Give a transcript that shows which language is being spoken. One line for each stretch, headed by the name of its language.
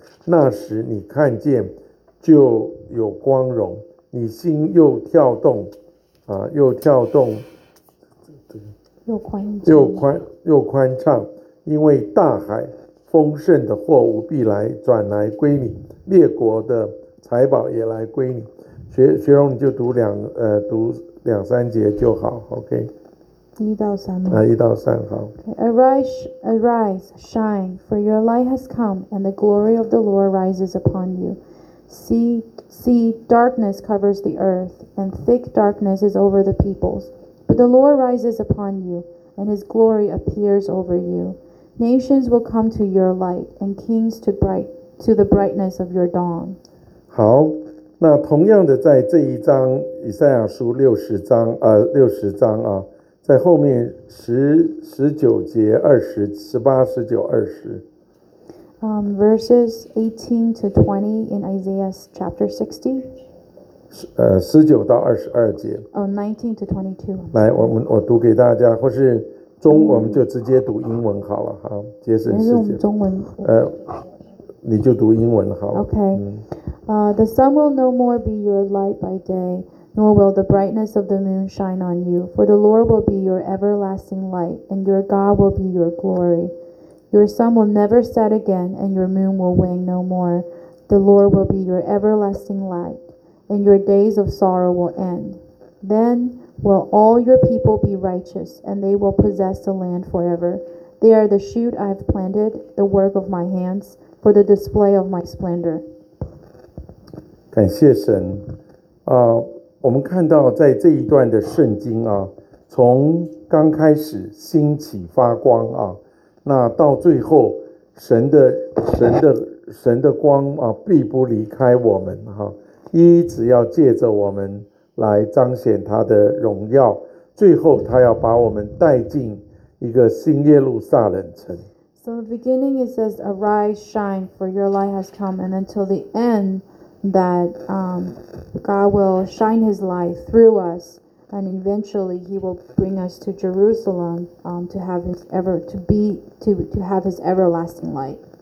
Chinese: 那时你看见就有光荣，你心又跳动，又宽敞，因为大海。丰盛的货物必来转来归你，列国的财宝也来归你。学荣，你就读两三节就好 ，
English: OK。
Chinese: 一到三，好。
English: Arise, arise, shine, for your light has come, and the glory of the Lord rises upon you. See, darkness covers the earth, and thick darkness is over the peoples. But the Lord rises upon you, and His glory appears over you. Nations will come to your light, and kings to the brightness of your dawn.
Chinese: 好，那同样的，在这一章以赛亚书六十章啊，在后面十九节十八、十九、二十。
English: Verses 18 to 20 in Isaiah chapter 60. 19 to 22.
Chinese: 来，我读给大家，或是。中我们就直接读英文好了哈，节省时间。中文，你就读英文好了。
English: Okay. The sun will no more be your light by day, nor will the brightness of the moon shine on you. For the Lord will be your everlasting light, and your God will be your glory. Your sun will never set again, and your moon will wane no more. The Lord will be your everlasting light, and your days of sorrow will end. Then. Will all your people be righteous, and they will possess the land forever. They are the shoot I have planted, the work of my hands, for the display of my splendor.
Chinese: 感谢神。我们看到在这一段的圣经啊，从刚开始兴起发光啊，那到最后神的光啊，必不离开我们哈，一直要借着我们。来彰显他的荣耀，最后他要把我们带进一个新耶路撒冷城。
English: So the beginning it says, "Arise, shine, for your light has come." And until the end, that God will shine his light through us, and eventually he will bring us to Jerusalem to have his everlasting light.